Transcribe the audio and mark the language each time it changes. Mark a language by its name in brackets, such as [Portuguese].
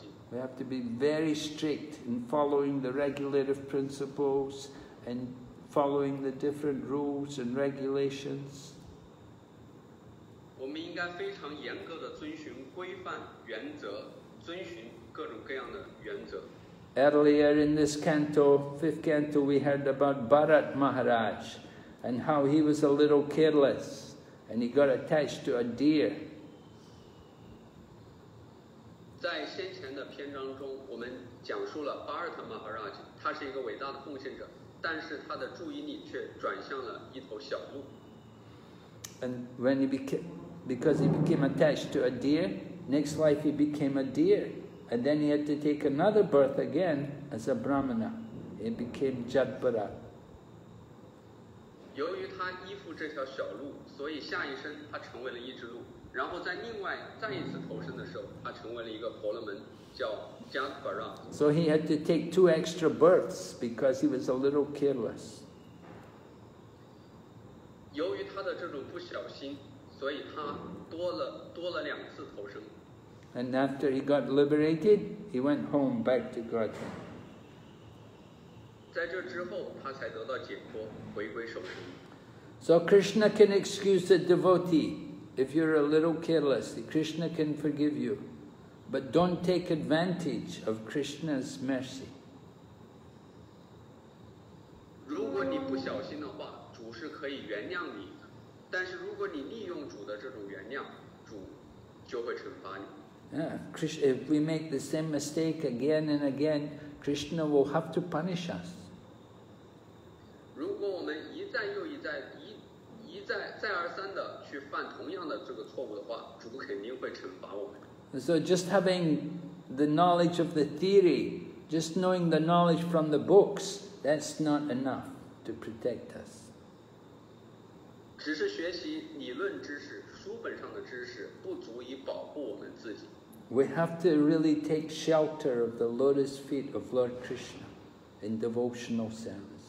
[English] We have to be very strict in following the regulative principles and following the different rules and regulations. [Chinese] 我们应该非常严格的遵循规范原则，遵循各种各样的原则。 [English] Earlier in this canto, fifth canto, we heard about Bharat Maharaj and how he was a little careless and he got attached to a deer. [Chinese] 在先前的篇章中，我们讲述了 Bharat Maharaj， 他是一个伟大的奉献者，但是他的注意力却转向了一头小鹿。 [English] And when he became, because he became attached to a deer, next life he became a deer. And then he had to take another birth again as a brahmana. He became Jatpara. [Chinese] 由于他依附这条小鹿，所以下一生他成为了一只鹿。然后在另外再一次投生的时候，他成为了一个婆罗门，叫 Jatpara. [English] So he had to take two extra births because he was a little careless. [Chinese] 由于他的这种不小心，所以他多了两次投生。 [English] And after he got liberated, he went home back to Gaudiya. [Chinese] 在这之后，他才得到解脱，回归受生。 [English] So Krishna can excuse a devotee if you're a little careless. Krishna can forgive you, but don't take advantage of Krishna's mercy. [Chinese] 如果你不小心的话。主是可以原谅你，但是如果你利用主的这种原谅，主就会惩罚你。 [English] Krishna, if we make the same mistake again and again, Krishna will have to punish us. [Chinese] 如果我们一再又一再、一再而三的去犯同样的这个错误的话，主肯定会惩罚我们。 [English] So just having the knowledge of the theory, just knowing the knowledge from the books, that's not enough to protect us. [Chinese] 只是学习理论知识，书本上的知识不足以保护我们自己。 [English] We have to really take shelter of the lotus feet of Lord Krishna in devotional service.